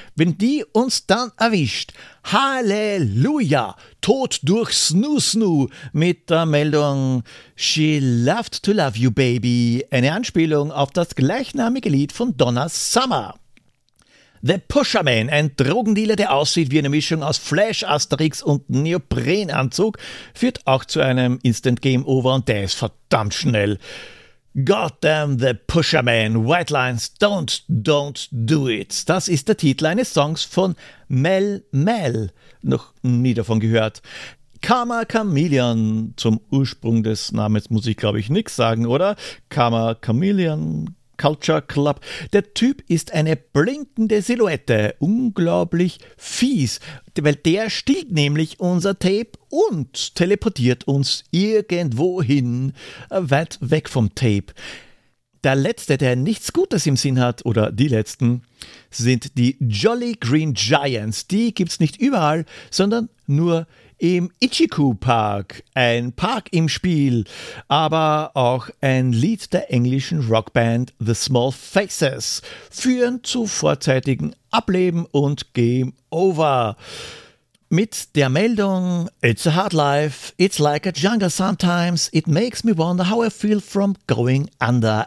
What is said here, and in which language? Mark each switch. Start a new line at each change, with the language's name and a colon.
German: Wenn die uns dann erwischt, Halleluja, Tod durch Snoo-Snoo mit der Meldung
English: She loved to love you, baby,
German: eine Anspielung auf das gleichnamige Lied von Donna Summer. The Pusher Man, ein Drogendealer, der aussieht wie eine Mischung aus Flash, Asterix und Neoprenanzug, führt auch zu einem Instant Game Over und der ist verdammt schnell.
English: Goddamn The Pusher Man, White Lines, don't do it.
German: Das ist der Titel eines Songs von Mel Mel, noch nie davon gehört. Karma Chameleon, zum Ursprung des Namens muss ich glaube ich nichts sagen, oder? Karma Chameleon Culture Club. Der Typ ist eine blinkende Silhouette. Unglaublich fies, weil der stiehlt nämlich unser Tape und teleportiert uns irgendwohin weit weg vom Tape. Der Letzte, der nichts Gutes im Sinn hat, oder die Letzten, sind die Jolly Green Giants. Die gibt's nicht überall, sondern nur im Ichiku Park, ein Park im Spiel, aber auch ein Lied der englischen Rockband The Small Faces, führen zu vorzeitigen Ableben und Game Over. Mit der Meldung,
English: it's a hard life, it's like a jungle sometimes, it makes me wonder how I feel from going under.